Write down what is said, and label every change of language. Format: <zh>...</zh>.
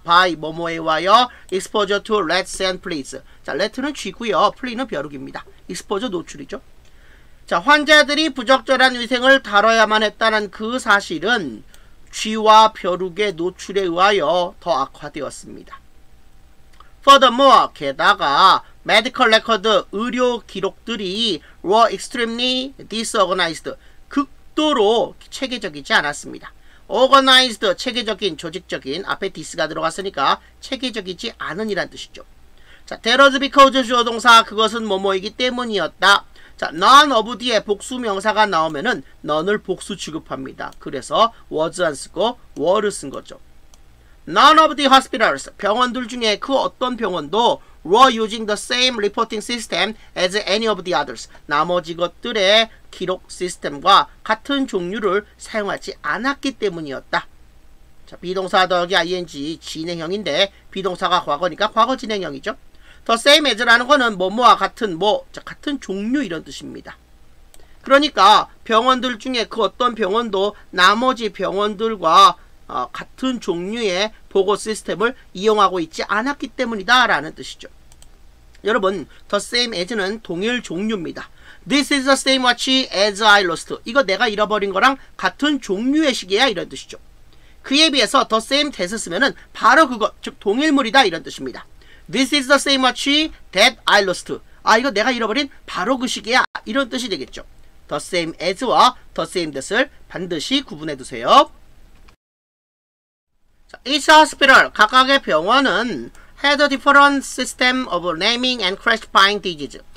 <en>by 뭐뭐에 와여 exposure to rats and fleas.</en> <ko>자, rat는 쥐고요. flea는 벼룩입니다. exposure 노출이죠. 자, 환자들이 부적절한 위생을 다뤄야만 했다는 그 사실은 쥐와 벼룩의 노출에 의하여 더 악화되었습니다. Furthermore, 게다가 medical record, 의료 기록들이</ko> <en>were extremely disorganized,</en> <ko>극도로 체계적이지 않았습니다. organized, 체계적인, 조직적인, 앞에 dis가 들어갔으니까 체계적이지 않은 이란 뜻이죠. 자,</ko> <en>that was because</en> <ko>주어 동사, 그것은 뭐뭐이기 때문이었다. 자, none of 뒤에 복수 명사가 나오면은 none을 복수 취급합니다. 그래서 was 안 쓰고 were 쓴 거죠.</ko> <en>None of the hospitals,</en> <ko>병원들 중에 그 어떤 병원도</ko> <en>were using the same reporting system as any of the others.</en> <ko>나머지 것들의 기록 시스템과 같은 종류를 사용하지 않았기 때문이었다. 자, 비동사 더하기 ing 진행형인데 비동사가 과거니까 과거 진행형이죠. The same as라는 거는 뭐뭐와 같은 뭐, 자, 같은 종류 이런 뜻입니다. 그러니까 병원들 중에 그 어떤 병원도 나머지 병원들과 같은 종류의 보고 시스템을 이용하고 있지 않았기 때문이다 라는 뜻이죠. 여러분, the same as는 동일 종류입니다.</ko> <en>This is the same watch as I lost.</en> <ko>이거 내가 잃어버린 거랑 같은 종류의 시계야 이런 뜻이죠. 그에 비해서 the same that 쓰면은 바로 그거, 즉 동일물이다 이런 뜻입니다.</ko> <en>This is the same watch that I lost.</en> <ko>아, 이거 내가 잃어버린 바로 그 시계야 이런 뜻이 되겠죠. The same as와 the same that을 반드시 구분해 두세요.</ko> <en>Each hospital,</en> <ko>각각의 병원은</ko> <en>had a different system of naming and classifying disease.</en>